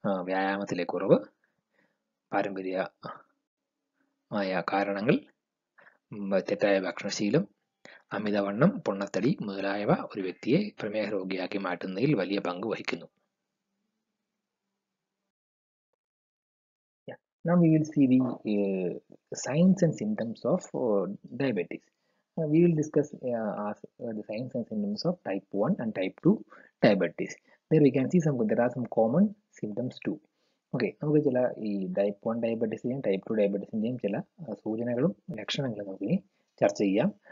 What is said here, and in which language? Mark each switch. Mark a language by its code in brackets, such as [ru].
[ml] വ്യായാമത്തിലെ കുറവ്, പാരമ്പര്യമായ കാരണങ്ങൾ, തെറ്റായ ഭക്ഷണശീലം, അമിതവണ്ണം, പൊണ്ണത്തടി മുതലായവ ഒരു വ്യക്തിയെ പ്രമേഹ രോഗിയാക്കി മാറ്റുന്നതിൽ വലിയ പങ്ക് വഹിക്കുന്നു. [en] Now we will see the signs and symptoms of diabetes. We will discuss the signs and symptoms of type 1 and type 2 diabetes. There we can see there are some common symptoms too. [ml] Okay, നമുക്ക് ചില ഈ type one ഡയബറ്റീസിൻ്റെയും type two ഡയബറ്റീസിൻ്റെയും ചില സൂചനകളും ലക്ഷണങ്ങളും നമുക്ക് ചർച്ച ചെയ്യാം.